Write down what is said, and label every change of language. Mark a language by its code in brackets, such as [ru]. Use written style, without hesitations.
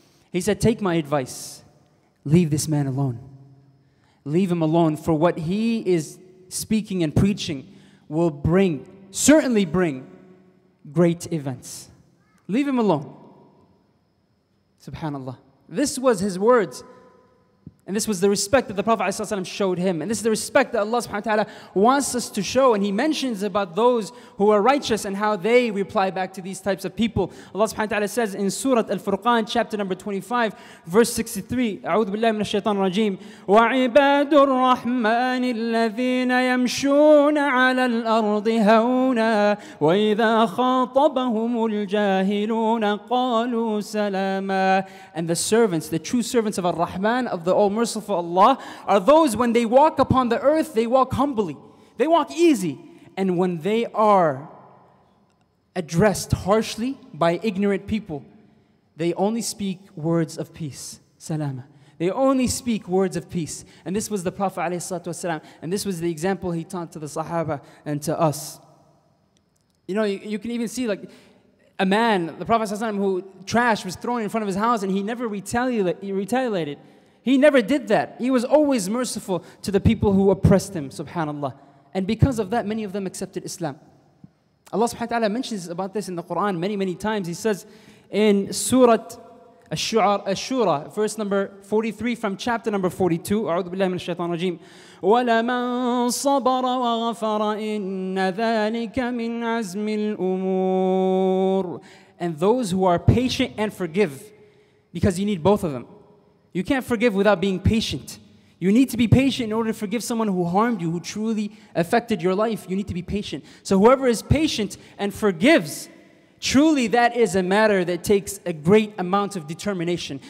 [en] He said, take my advice. Leave this man alone. Leave him alone, for what he is speaking and preaching will bring, certainly bring, great events. Leave him alone. Subhanallah. This was his words. And this was the respect that the Prophet ﷺ showed him. And this is the respect that Allah subhanahu wa ta'ala wants us to show. And he mentions about those who are righteous and how they reply back to these types of people. Allah subhanahu wa ta'ala says in Surah Al-Furqan, chapter number 25, verse 63, [ar] أعوذ بالله من الشيطان الرجيم وعباد الرحمن الذين يمشون على الأرض هونا وإذا خاطبهم الجاهلون قالوا سلاما. [en] And the servants, the true servants of Ar-Rahman, of the All Merciful Allah, are those when they walk upon the earth, they walk humbly, they walk easy. And when they are addressed harshly by ignorant people, they only speak words of peace, salama. They only speak words of peace. And this was the Prophet alayhi salatu wasalam, and this was the example he taught to the Sahaba and to us. You know, you can even see, like, a man, the Prophet ﷺ, who trash was thrown in front of his house, and he never retaliated. He never did that. He was always merciful to the people who oppressed him, subhanAllah. And because of that, many of them accepted Islam. Allah subhanahu wa ta'ala mentions about this in the Quran many, many times. He says in Surah Ash-Shura, verse number 43 from chapter number 42, [ar] أعوذ بالله من الشيطان الرجيم وَلَمَنْ صَبَرَ وَغَفَرَ إِنَّ ذَلِكَ مِنْ عَزْمِ الْأُمُورِ. [en] And those who are patient and forgive, because you need both of them. You can't forgive without being patient. You need to be patient in order to forgive someone who harmed you, who truly affected your life. You need to be patient. So whoever is patient and forgives, truly that is a matter that takes a great amount of determination.